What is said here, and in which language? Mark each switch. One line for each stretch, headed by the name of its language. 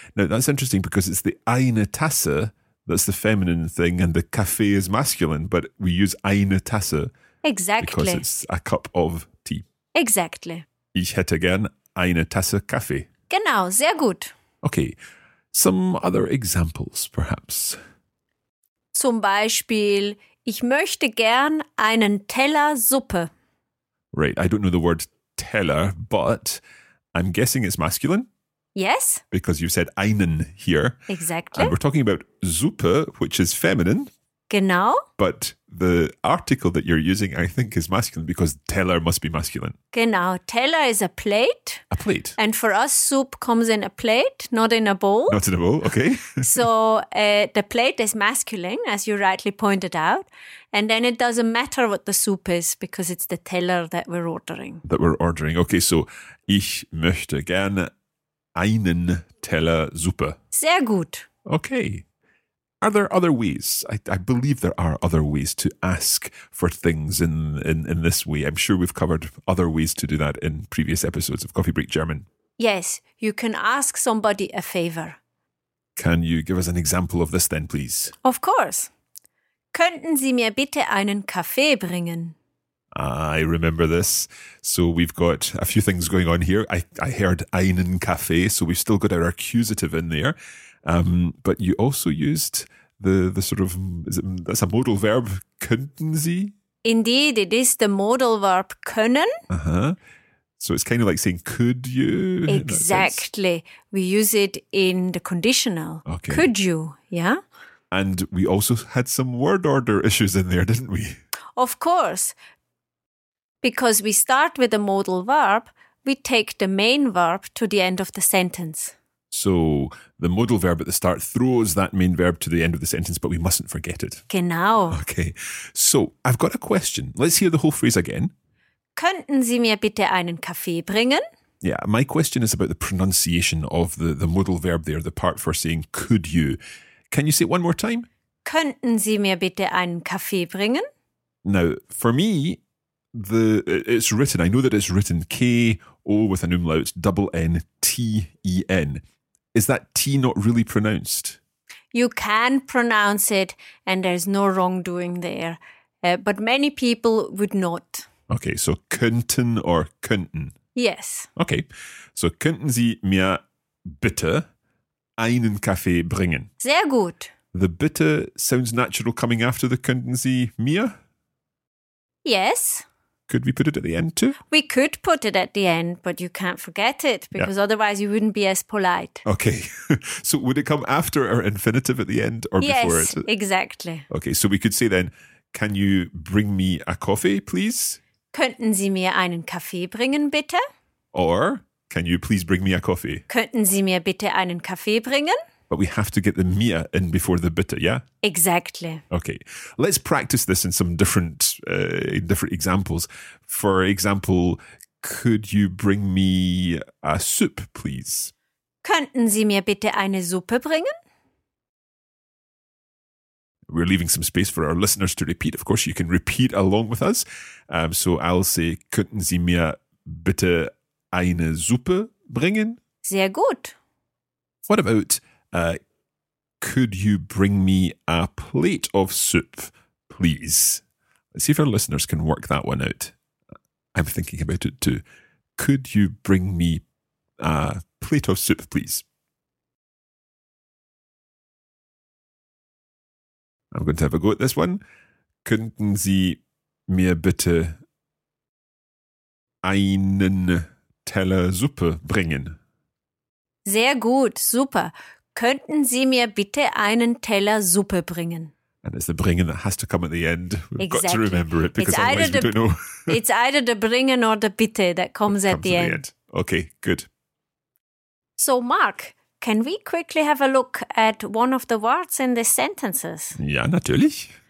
English: Now, that's interesting because it's the
German: eine Tasse
English: that's the feminine thing and the Kaffee is masculine, but we use eine Tasse. Exactly. Because it's a cup of tea. Exactly.
German: Ich hätte gern eine Tasse Kaffee. Genau, sehr gut.
English: Okay, some other examples perhaps.
German: Zum Beispiel, ich möchte gern einen Teller Suppe.
English: Right, I don't know the word Teller, but I'm guessing it's masculine. Yes. Because you said einen here. Exactly. And we're talking about Suppe, which is feminine.
German: Genau.
English: But the article that you're using, I think, is masculine because Teller must be masculine.
German: Genau.
English: Teller is a plate. A plate. And for us, soup comes in a plate, not in a bowl. Not in a bowl, okay. So the plate is masculine, as you rightly pointed out. And then it doesn't matter what the soup is because it's the Teller that we're ordering. That we're ordering. Okay, so
German: ich möchte gerne einen Teller Suppe. Sehr gut.
English: Okay. Are there other ways? I believe there are other ways to ask for things in this way. I'm sure we've covered other ways to do that in previous episodes of Coffee Break German. Yes, you can ask somebody a favor. Can you give us an example of this then, please? Of course.
German: Könnten Sie mir bitte einen Kaffee bringen?
English: I remember this. So we've got a few things going on here. I heard
German: einen Kaffee,
English: so we've still got our accusative in there. But you also used the sort of, that's a modal verb,
German: könnten Sie?
English: Indeed, it is the modal verb können. Uh-huh. So it's kind of like saying, could you? Exactly. We use it in the conditional. Okay. Could you? Yeah. And we also had some word order issues in there, didn't we? Of course. Because we start with a modal verb, we take the main verb to the end of the sentence. So the modal verb at the start throws that main verb to the end of the sentence, but we mustn't forget it.
German: Genau.
English: Okay. So I've got a question. Let's hear the whole phrase again.
German: Könnten Sie mir bitte einen Kaffee bringen?
English: Yeah, my question is about the pronunciation of the modal verb there, the part for saying could you. Can you say it one more time?
German: Könnten Sie mir bitte einen Kaffee bringen?
English: Now, for me, it's written, I know that it's written K-O with an umlaut, double N-T-E-N. Is that T not really pronounced? You can pronounce it and there's no wrongdoing there, but many people would not. Okay, so könnten or könnten? Yes.
German: Okay, so könnten Sie mir bitte einen Kaffee bringen? Sehr gut.
English: The bitte sounds natural coming after the
German: könnten Sie mir?
English: Yes. Could we put it at the end too? We could put it at the end, but you can't forget it because otherwise you wouldn't be as polite. Okay. So would it come after our infinitive at the end or yes, before it? Yes, exactly. Okay, so we could say then, can you bring me a coffee, please?
German: Könnten Sie mir einen Kaffee bringen, bitte?
English: Or can you please bring me a coffee?
German: Könnten Sie mir bitte einen Kaffee bringen?
English: But we have to get the mir in before the bitte, yeah? Exactly. Okay. Let's practice this in some different examples. For example, could you bring me a soup, please?
German: Könnten Sie mir bitte eine Suppe bringen?
English: We're leaving some space for our listeners to repeat. Of course, you can repeat along with us. So I'll say,
German: könnten Sie mir bitte eine Suppe bringen? Sehr gut.
English: What about... could you bring me a plate of soup, please? Let's see if our listeners can work that one out. I'm thinking about it too. Could you bring me a plate of soup, please? I'm going to have a go at this one.
German: Könnten Sie mir bitte einen Teller Suppe bringen? Sehr gut, super. Könnten Sie mir bitte einen Teller Suppe bringen?
English: And it's the bringen that has to come at the end. We've got to remember it because otherwise we don't know. It's either the bringen or the bitte that comes at the end. Okay, good. So, Mark, can we quickly have a look at one of the words in the sentences?
German: Ja, natürlich.